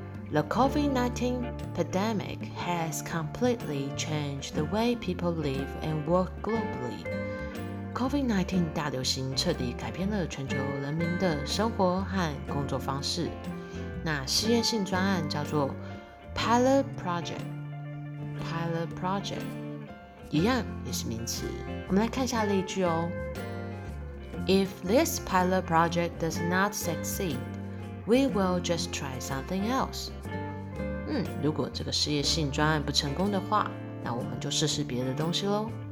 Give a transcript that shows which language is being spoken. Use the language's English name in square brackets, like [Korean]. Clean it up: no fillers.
[English] The COVID-19 pandemic has completely changed the way people live and work globally. [Chinese] COVID-19 大流行彻底改变了全球人民的生活和工作方式。那试验性专案叫做 Pilot Project， 一样也是名词。我们来看一下例句哦。 [English] If this pilot project does not succeed, we will just try something else. [Chinese] 如果这个事业性专案不成功的话，那我们就试试别的东西咯。